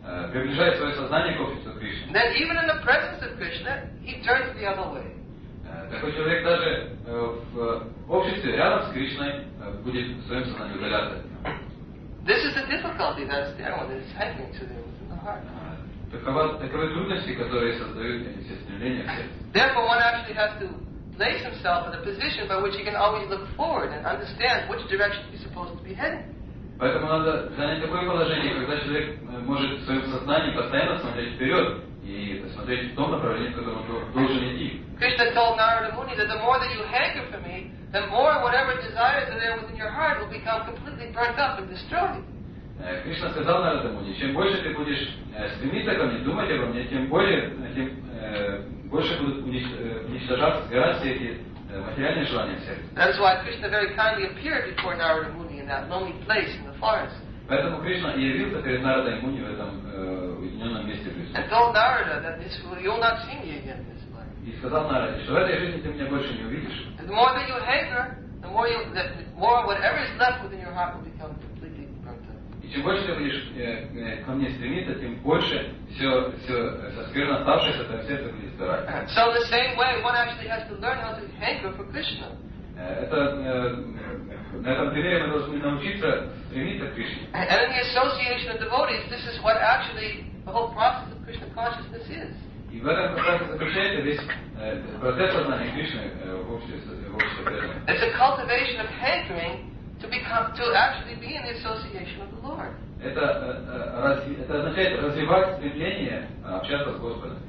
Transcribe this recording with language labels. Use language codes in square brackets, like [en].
[ru] приближает свое сознание к обществу Кришны. [en] Then even in the presence of Krishna, he turns the other way. [ru] Такой человек даже в обществе рядом с Кришной будет в своем сознании удаляться от него. [en] This is the difficulty that's there when it's happening to them in the heart. [ru] Таковы трудности, которые создают эти стремления в сердце. [en] Therefore, one actually has to place himself in a position by which he can always look forward and understand which direction he's supposed to be heading. [ru] Поэтому надо занять такое положение, когда человек может в своем сознании постоянно смотреть вперед и смотреть в том направлении, в котором он должен идти. [en] Krishna told Narada Muni that the more that you hanker for me, the more whatever desires are there within your heart will become completely burnt up and destroyed. [ru] Кришна сказал Нараде Муни, чем больше ты будешь стремиться ко мне, думать обо мне, тем больше будут уничтожаться, сгорать все эти материальные желания в сердце. [en] That's why Krishna very kindly appeared before Narada Muni. That lonely place in the forest. [ru] Поэтому Кришна явился перед Нарадой Муни в этом уединенном месте в лесу. [en] And told Narada that this will you will not see me again this way. [ru] И сказал Нараде, что в этой жизни ты меня больше не увидишь. [en] And the more that you hanker, the more whatever is left within your heart will become completely burnt up. [ru] И чем больше ты будешь ко мне стремиться, тем больше все со скверно оставшееся там сердце будет сгорать. [en] So the same way, one actually has to learn how to hanker for Krishna. [ru] На этом примере мы должны научиться стремиться к Кришне. [en] And in the association of devotees, this is what actually the whole process of Krishna consciousness is. [ru] И в этом процессе заключается весь процесс сознания Кришны в обществе. [en] It's a cultivation of hankering to actually be in the association of the Lord. [ru] Это означает развивать стремление общаться с Господом.